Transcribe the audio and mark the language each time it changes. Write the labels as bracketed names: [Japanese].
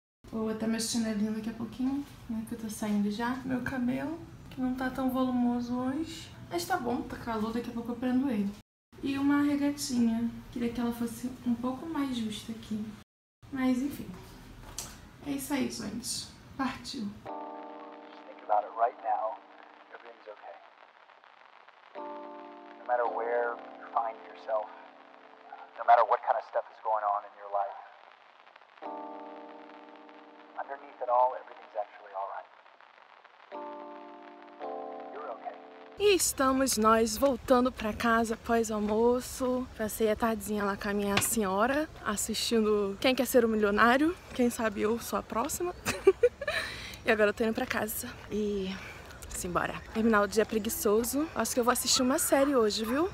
[Portuguese] Vou botar meu chinelinho daqui a pouquinho, né, que eu tô saindo já. Meu cabelo, que não tá tão volumoso hoje, mas tá bom, tá calor, daqui a pouco eu prendo ele. E uma regatinha, queria que ela fosse um pouco mais justa aqui, mas enfim. É isso aí, gente. Partiu. [English] Think about it right now. Everything's okay. No matter where you find yourself, no matter what kind of stuff is going on in your life, underneath it all, everything's actually all right. [Portuguese] E estamos nós voltando pra casa após o almoço. Passei a tardezinha lá com a minha senhora, assistindo Quem Quer Ser um Milionário. Quem sabe eu sou a próxima. E agora eu tô indo pra casa. E simbora. Terminar o dia preguiçoso. Acho que eu vou assistir uma série hoje, viu?